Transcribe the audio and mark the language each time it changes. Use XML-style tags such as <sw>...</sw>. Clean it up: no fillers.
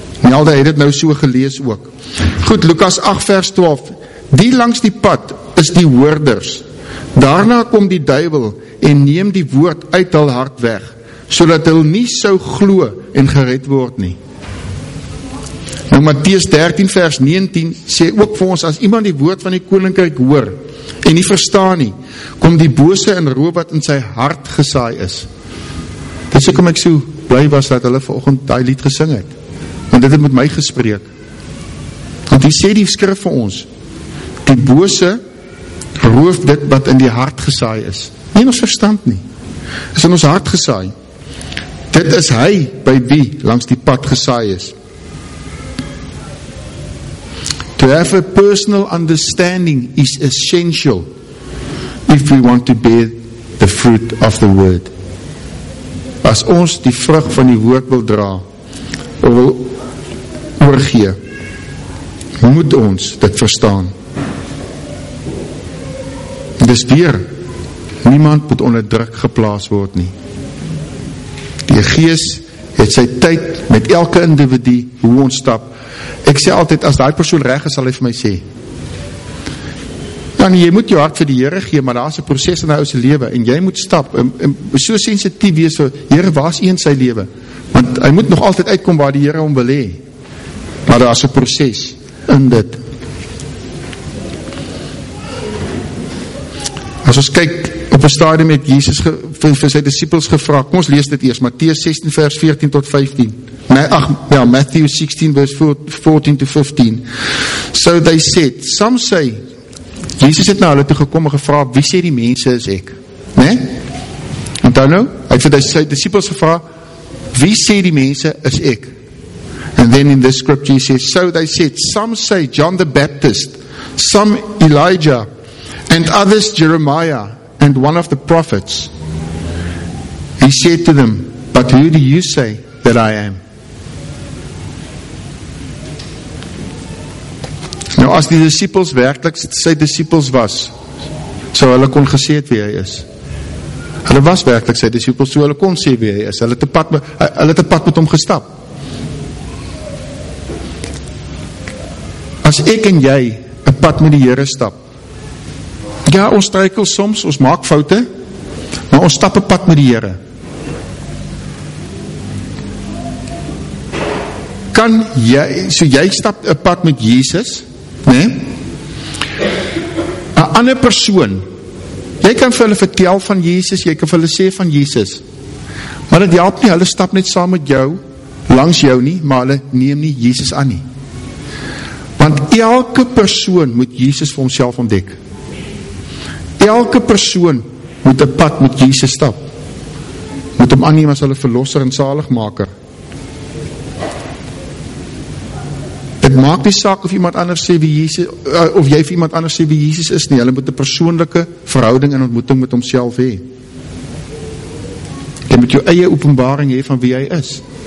<af>Nelde het nou so gelees ook. Goed, Lukas 8 vers 12. Die langs die pad is die hoorders. Daarna kom die duivel en neem die woord uit hul hart weg, sodat hulle nie sou glo en gered word nie. Nou Matteus 13 vers 19 sê ook vir ons, as iemand die woord van die koninkryk hoor en nie verstaan nie, kom die bose en roep wat in sy hart gesaai is. Dis ook om ek so bly was dat hulle vanoggend daai lied gesing het, want dit het met my gespreek. Want wie sê die skrif vir ons? Die bose roep dit wat in die hart gesaai is. Nie in ons verstand nie. Is in ons hart gesaai. Dit is hy by wie langs die pad gesaai is.</af> <en>To have a personal understanding is essential. if we want to bear the fruit of the word.</en> <af>As ons die vrug van die woord wil dra, wil oorgee, moet ons dit verstaan. Dis weer, niemand moet onder druk geplaas word nie. Die Gees het sy tyd met elke individu, hoe ons stap. Ek sê altyd, as die persoon reg is, sal hy vir my sê, dan jy moet jou hart vir die Here gee, maar daar is een proces in die ouse lewe, en jy moet stap, en so sensitief wees, so, Here, waar is hy in sy lewe? Want hy moet nog altyd uitkom waar die Here hom wil hee. Maar daar is een proces in dit. As ons kyk, op een stadium het Jesus vir sy disciples gevra, kom ons lees dit eerst, Matteus 16 vers 14 tot 15.</af> <en>Matthew 16 verse 14 to 15. So they said, some say,</en> <af>Jesus het na hulle toe gekom en gevra, wie sê die mense is ek? Nee? En dan nou, hy het vir sy disciples gevra, wie sê die mense is ek?</af> <en>And then in this scripture he says, so they said, some say John the Baptist, some Elijah, and others Jeremiah, and one of the prophets. He said to them, but who do you say that I am?</en> <af>Nou as die disciples werkelijk sy disciples was, so hulle kon gesê het wie hy is. Hulle was werkelijk sy disciples, so hulle kon sê wie hy is. Hulle het pad met hom gestap. As ek en jy een pad met die Here stap, ja, ons struikel soms, ons maak foute, maar ons stap een pad met die Here. Kan jy, so jy stap een pad met Jesus, nee, een ander persoon, jy kan vir hulle vertel van Jesus, jy kan vir hulle sê van Jesus, maar dit help nie, hulle stap net saam met jou, langs jou nie, maar hulle neem nie Jesus aan nie. Want elke persoon moet Jesus vir homself ontdek. Elke persoon moet een pad met Jesus stap. Moet hom aanneem as hulle verlosser en zaligmaker. Het maak nie saak of iemand anders sê wie Jesus, of jy vir iemand anders sê wie Jesus is nie. Hulle moet een persoonlijke verhouding en ontmoeting met homself hê. Jy moet jou eie openbaring hê van wie hy is.</af>